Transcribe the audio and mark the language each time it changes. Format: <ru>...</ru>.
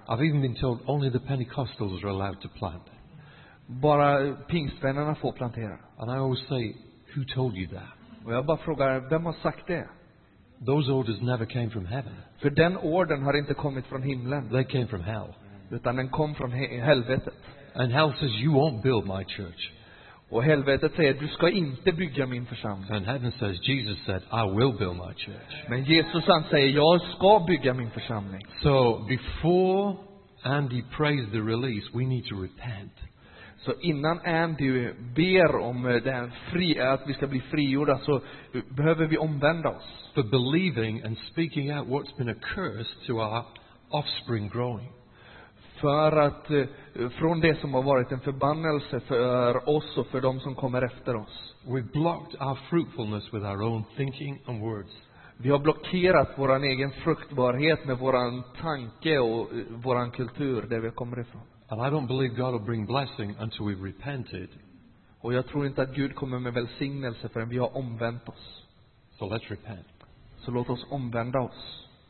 <en>I've even been told only the Pentecostals are allowed to plant.</en> <sv>Bara pingstvännerna får plantera.</sv> <en>And I always say, who told you that?</en> <sv>Och jag bara frågar, vem har sagt det?</sv> <en>Those orders never came from heaven.</en> <sv>För den orden har inte kommit från himlen.</sv> <en>They came from hell.</en> <sv>Utan den kom från helvetet.</sv> <en>And hell says, you won't build my church.</en> <sv>Och helvetet säger, du ska inte bygga min församling.</sv> <en>And heaven says, Jesus said, I will build my church.</en> <sv>Men Jesus han säger, jag ska bygga min församling.</sv> <en>So before Andy prays the release, we need to repent.</en> <sv>Så innan Andy ber om den att vi ska bli frigjorda, så behöver vi omvända oss.</sv> <en>For believing and speaking out what's been a curse to our offspring growing.</en> <sv>För att från det som har varit en förbannelse för oss och för de som kommer efter oss.</sv> <en>We blocked our fruitfulness with our own thinking and words.</en> <sv>Vi har blockerat vår egen fruktbarhet med våran tanke och våran kultur där vi kommer ifrån.</sv> <en>And I don't believe God will bring blessing until we've repented.</en> <sv>Och jag tror inte att Gud kommer med välsignelse förrän vi har omvänt oss.</sv> <en>So let's repent.</en> <sv>Så låt oss omvända oss.</sv>